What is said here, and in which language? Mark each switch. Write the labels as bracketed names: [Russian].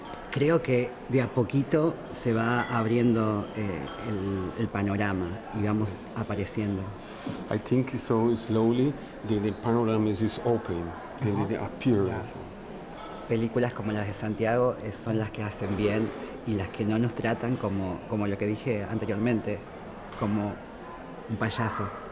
[Spanish] Creo que de a poquito se va abriendo el panorama y vamos apareciendo. [English] I think so slowly the panorama is open. and then they appear. Yeah. So. [Spanish] Películas como las de Santiago son las que hacen bien y las que no nos tratan como como lo que dije anteriormente, como un payaso.